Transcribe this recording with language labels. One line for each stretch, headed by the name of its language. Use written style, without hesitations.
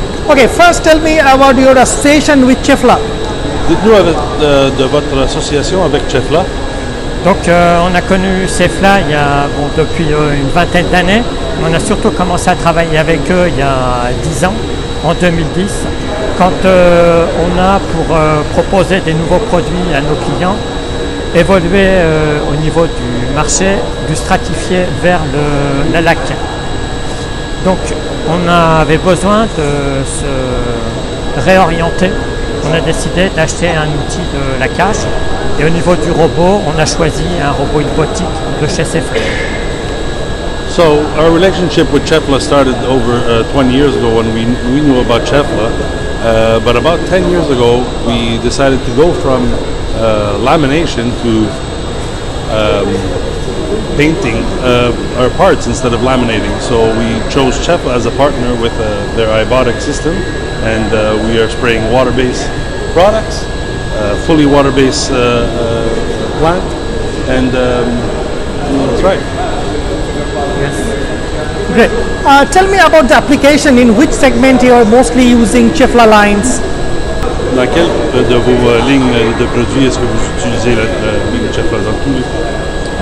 English: Okay, first tell me about your association with Cefla.
French: Dites-nous de votre association avec Cefla. Donc, on a connu Cefla depuis une vingtaine d'années. On a surtout commencé à travailler avec eux il y a 10 ans, en 2010. Quand on a pour proposer des nouveaux produits à nos clients, évoluer au niveau du marché, du stratifié vers la laque. Donc on avait besoin de se réorienter. On a décidé d'acheter un outil de laquage. Et au niveau du robot, on a choisi un robot robotique de chez Cefla.
English: So our relationship with Cefla started over 20 years ago when we knew about Cefla. But about 10 years ago, we decided to go from lamination to painting our parts instead of laminating. So we chose Cefla as a partner with their iBotic system, and we are spraying water-based products, fully water-based plant, and that's right. Yes. Great. Tell me about the application. In which segment you are mostly using Cefla lines?
French: Laquelle de vos lignes de produits est-ce que vous utilisez la ligne Cefla dans tous les?